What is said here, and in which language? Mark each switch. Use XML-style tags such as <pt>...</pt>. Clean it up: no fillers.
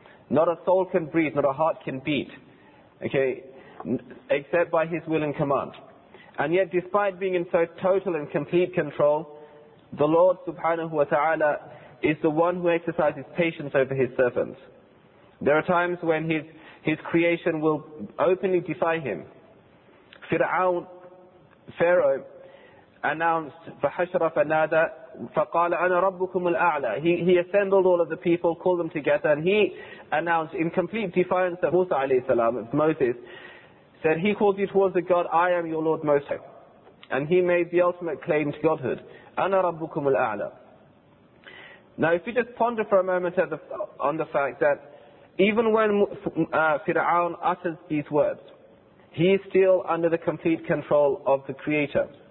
<en>Not a soul can breathe, not a heart can beat, okay, except by His will and command. And yet despite being in so total and complete control, the Lord subhanahu wa ta'ala is the one who exercises patience over His servants. There are times when His creation will openly defy Him. Fir'aun, Pharaoh, announced,</en> <ar>فَحَشْرَ فَنَادَى فَقَالَ أَنَا رَبُّكُمُ الْأَعْلَى.</ar> <en>He assembled all of the people, called them together, and he announced in complete defiance of Musa alayhi salam, of Moses, said, he calls you towards the God, I am your Lord Moshe. And he made the ultimate claim to Godhood.</en> <ar>أَنَا رَبُّكُمُ الْأَعْلَى.</ar> <en>Now if you just ponder for a moment on the fact that even when Fir'aun utters these words, he is still under the complete control of the Creator.</en>